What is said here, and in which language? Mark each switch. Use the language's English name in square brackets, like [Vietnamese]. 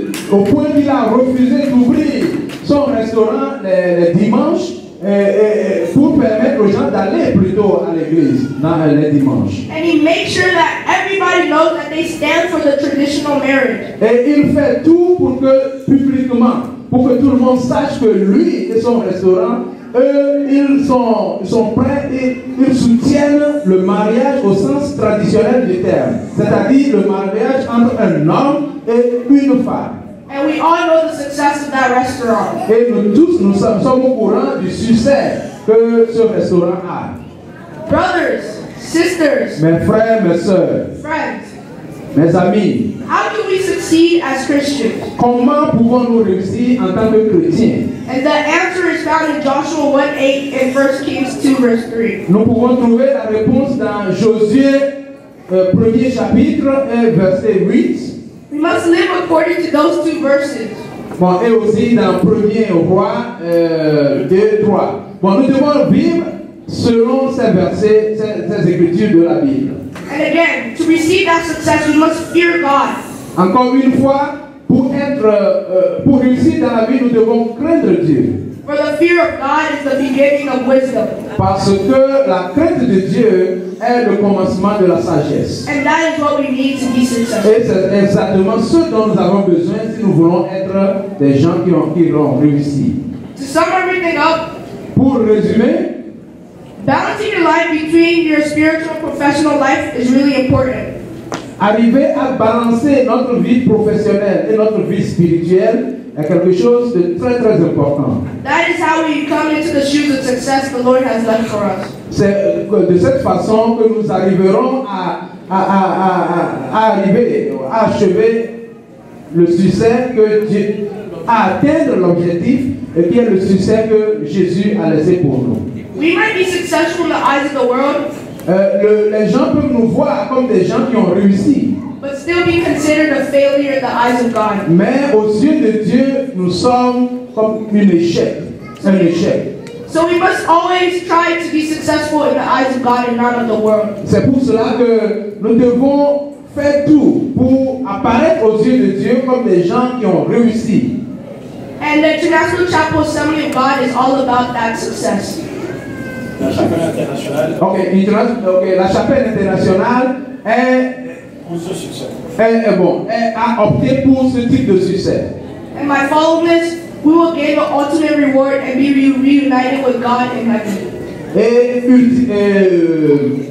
[French] Au point qu'il a refusé d'ouvrir son restaurant les dimanches. Et pour permettre aux gens d'aller plutôt à l'église dans les dimanches. [English] And he makes sure that everybody knows that they stand for the traditional marriage. [French] Et il fait tout pour que publiquement, pour que tout le monde sache que lui et son restaurant, ils sont prêts et ils soutiennent le mariage au sens traditionnel du terme, c'est-à-dire le mariage entre un homme et une femme. [English] And we all know the success of that restaurant. [French] Et nous tous, nous sommes au courant du succès que ce restaurant a. [English] Brothers, sisters, [French] mes frères, mes sœurs, [English] friends, [French] mes amis, [English] how can we succeed as Christians? [French] Comment pouvons-nous réussir en tant que chrétiens? [English] And the answer is found in Joshua 1:8 and 1 Kings 2, verse 3. [French] Nous pouvons trouver la réponse dans Josué, premier chapitre, verset 8. [English] We must live according to those two verses. [French] Bon, et aussi dans 1 Roi 2, 3. Bon, nous devons vivre selon ces versets, ces écritures de la Bible. [English] And again, to receive that success, we must fear God. [French] Encore une fois, pour réussir dans la vie, nous devons craindre Dieu. [English] For the fear of God is the beginning of wisdom. [French] Parce que la crainte de Dieu est le commencement de la sagesse. [English] And that is what we need to be successful. [French] Et c'est exactement ce dont nous avons besoin si nous voulons être des gens qui ont réussi. [English] To sum everything up, [French] pour résumer, [English] balancing your life between your spiritual and professional life is really important. [French] Arriver à balancer notre vie professionnelle et notre vie spirituelle est quelque chose de très très important. [English] That is how we come into the shoes of success the Lord has left for us. [French] C'est de cette façon que nous arriverons à achever le succès que Dieu a atteindre l'objectif et qui est le succès que Jésus a laissé pour nous. [English] We might be successful in the eyes of the world. [French] Les gens peuvent nous voir comme des gens qui ont réussi. [English] But still be considered a failure in the eyes of God. [French] Mais aux yeux de Dieu, nous sommes comme un échec. Un échec. [English] So we must always try to be successful in the eyes of God and not of the world. [French] C'est pour cela que nous devons faire tout pour apparaître aux yeux de Dieu comme des gens qui ont réussi. [English] And the International Chapel Assembly of God is all about that success. [French] La chapelle internationale. Okay, la chapelle internationale est pour ce succès. A opté pour ce type de succès. [English] And my followers, we will gain the ultimate reward and be reunited with God in heaven.